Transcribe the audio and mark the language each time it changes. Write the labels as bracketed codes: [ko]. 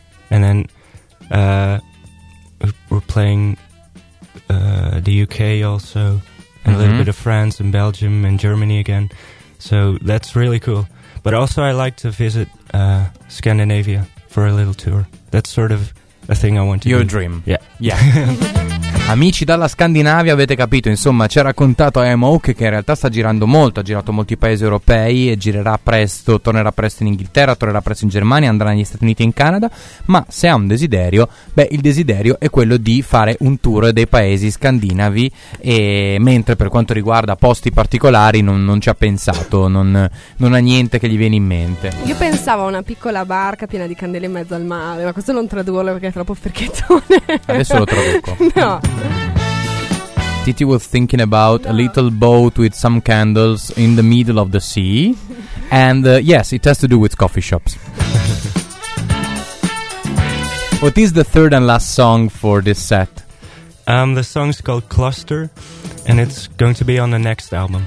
[en] And then we're playing the UK also, and mm-hmm. a little bit of France and Belgium and Germany again. So that's really cool. But also I like to visit Scandinavia for a little tour. That's sort of a thing I want to Your dream. Yeah. Yeah. [it] Amici dalla Scandinavia, avete capito, insomma, ci ha raccontato Emok che in realtà sta girando molto, ha girato molti paesi europei e girerà presto, tornerà presto in Inghilterra, tornerà presto in Germania, andrà negli Stati Uniti e in Canada, ma se ha un desiderio, beh, il desiderio è quello di fare un tour dei paesi scandinavi, e mentre per quanto riguarda posti particolari non ci ha pensato, non ha niente che gli viene in mente. Io pensavo a una piccola barca piena di candele in mezzo al mare, ma questo non tradurlo perché è troppo fricchettone. Adesso lo traduco. No. [en] Titi was thinking about a little boat with some candles in the middle of the sea. And yes, it has to do with coffee shops. What is the third and last song for this set? The song is called Cluster, and it's going to be on the next album.